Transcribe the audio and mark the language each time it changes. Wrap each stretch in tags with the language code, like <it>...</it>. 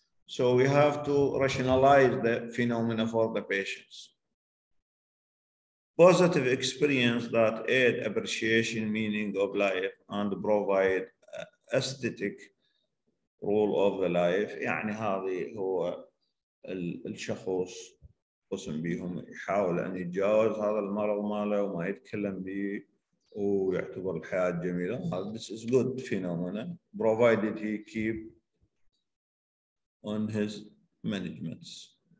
<en>So we have to rationalize the phenomena for the patients. Positive experience that aid appreciation meaning of life and provide aesthetic role of the life.</en> <ar>يعني هذه هو الشخص قسم بيهم يحاول أن يتجاوز هذا المرض ماله وما يتكلم به ويعتبر الحياة جميلة.</ar> <en>This is good phenomena provided he keep on his managements.</en>